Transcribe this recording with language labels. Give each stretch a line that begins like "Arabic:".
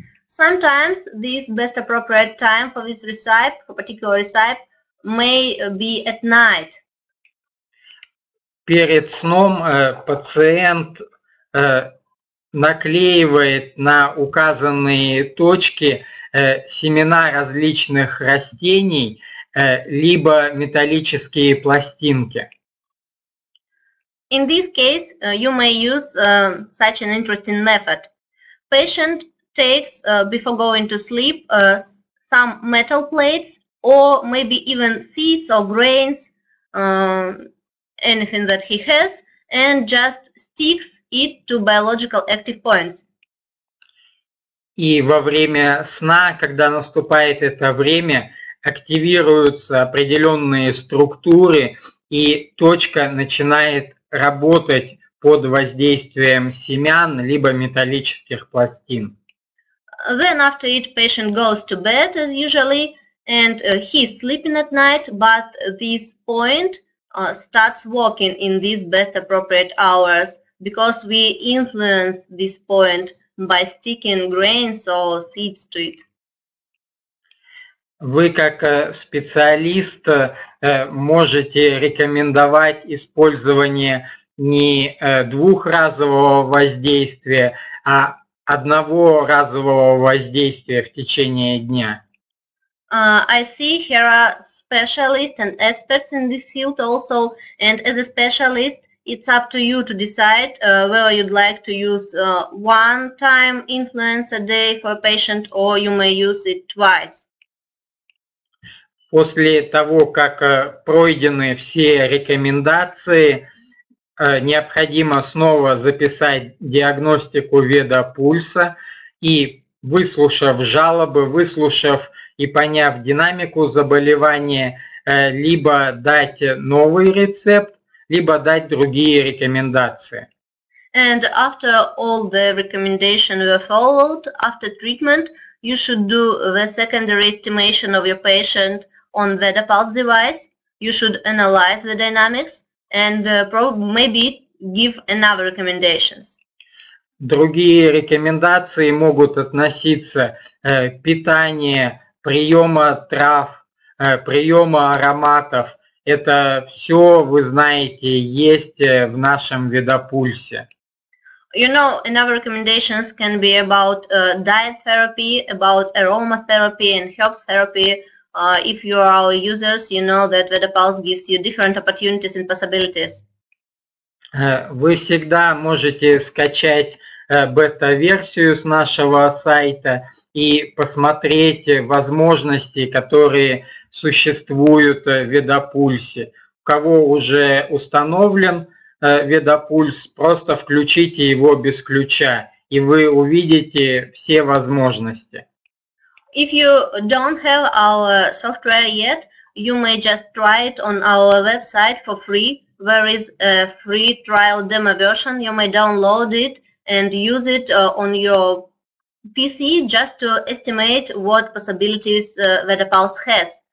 English: Sometimes this best appropriate time for this recipe, for particular recipe, may be at night.
Russian: Перед сном пациент наклеивает на указанные точки семена различных растений, либо металлические пластинки.
English: In this case, you may use such an interesting method. Patient takes, before going to sleep, some metal plates or maybe even seeds or grains, anything that he has, and just sticks it to biological active points.
Russian: И во время сна, когда наступает это время, активируются определенные структуры, и точка начинает работать под воздействием семян либо металлических пластин.
English: Then after it, patient goes to bed as usually, and he's sleeping at night, but this point starts working in these best appropriate hours, because we influence this point by sticking grains or seeds to it.
Russian: Вы как специалист можете рекомендовать использование не двухразового воздействия, а одного разового воздействия в течение дня.
English: I see here are specialists and experts in this field also, and as a specialist, it's up to you to decide whether you'd like to use one time influence a day for a patient, or you may use it twice.
Russian: После того, как пройдены все рекомендации, необходимо снова записать диагностику веда пульса и, выслушав жалобы, выслушав и поняв динамику заболевания, либо дать новый рецепт, либо дать другие рекомендации.
English: And after all the recommendations were followed, after treatment, you should do the secondary estimation of your patient on Veda Pulse device. You should analyze the dynamics and maybe give another recommendations.
Russian: Другие рекомендации могут относиться питание, приема трав, приема ароматов. Это все, вы знаете, есть в нашем ведопульсе.
English: You know, another recommendations can be about diet therapy, about aromatherapy and herbs therapy. If you are our users, you know that VedaPulse gives you different opportunities and possibilities.
Russian: Вы всегда можете скачать бета-версию с нашего сайта и посмотреть возможности, которые существуют в VedaPulse. У кого уже установлен VedaPulse, просто включите его без ключа, и вы увидите все возможности.
English: If you don't have our software yet, you may just try it on our website for free. There is a free trial demo version. You may download it and use it on your PC just to estimate what possibilities VedaPulse has.